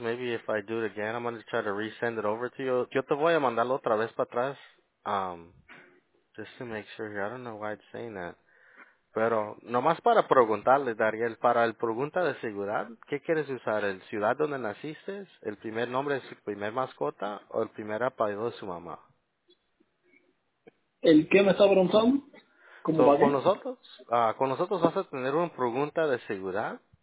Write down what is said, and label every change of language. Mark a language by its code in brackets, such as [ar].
[en] Maybe if I do it again, I'm going to try to resend it over to you. [es] Yo te voy a mandarlo otra vez para atrás. [en] Just to make sure here. I don't know why it's saying that. [es] Pero nomás para preguntarle, Dariel, para el pregunta de seguridad, ¿qué quieres usar? ¿El ciudad donde naciste? ¿El primer nombre de su primer mascota? ¿O el primer apellido de su mamá? ¿El qué me está preguntando? So, con nosotros vas a tener una pregunta de seguridad.